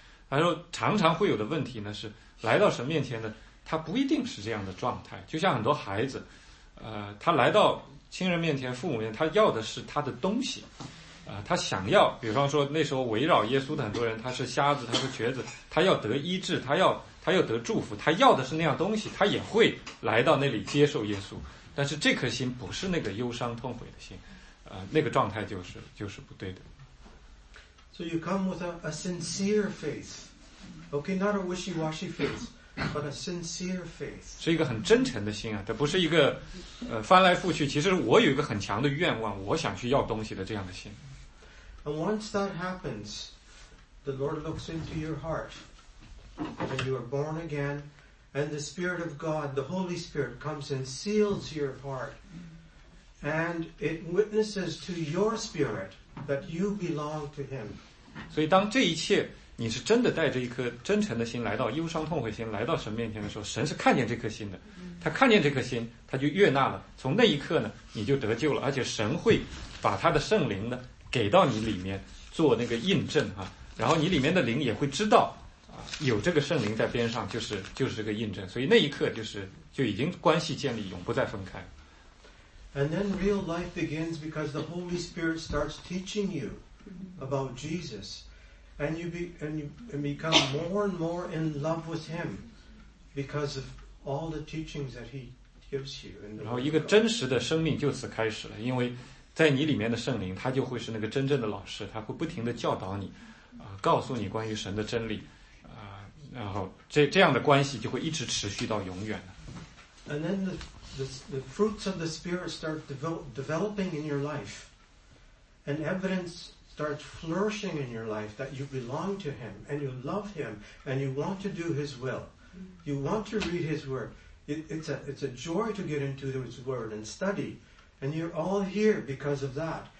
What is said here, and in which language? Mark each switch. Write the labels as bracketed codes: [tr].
[zh] 他说，常常会有的问题呢是。来到神面前的他不一定是这样的状态，就像很多孩子他来到亲人面前父母面前，他要的是他的东西，他想要，比方说那时候围绕耶稣的很多人，他是瞎子，他是瘸子，他要得医治，他要得祝福，他要的是那样东西，他也会来到那里接受耶稣，但是这颗心不是那个忧伤痛悔的心，那个状态就是不对的。 [en] So you come with a sincere faith. Okay, not a wishy-washy faith, but a sincere faith. [zh] 是一个很真诚的心啊，它不是一个，翻来覆去。其实我有一个很强的愿望，我想去要东西的这样的心。 [en] And once that happens, the Lord looks into your heart, and you are born again, and the Spirit of God, the Holy Spirit, comes and seals your heart, and it witnesses to your spirit that you belong to Him. [zh] 所以当这一切。你是真的带着一颗真诚的心来到忧伤痛悔心来到神面前的时候，神是看见这颗心的，他看见这颗心他就悦纳了，从那一刻呢你就得救了，而且神会把他的圣灵呢给到你里面做那个印证啊，然后你里面的灵也会知道有这个圣灵在边上，就是这个印证，所以那一刻就已经关系建立，永不再分开。 [en] And then real life begins because the Holy Spirit starts teaching you about Jesus, and you become more and more in love with Him because of all the teachings that He gives you. [zh] 然后一个真实的生命就此开始了，因为在你里面的圣灵，他就会是那个真正的老师，他会不停的教导你，告诉你关于神的真理。然后这样的关系就会一直持续到永远的。 [en] And then the fruits of the Spirit start developing in your life, and evidence starts flourishing in your life that you belong to Him and you love Him and you want to do His will. You want to read His word. It's a joy to get into His word and study, and you're all here because of that.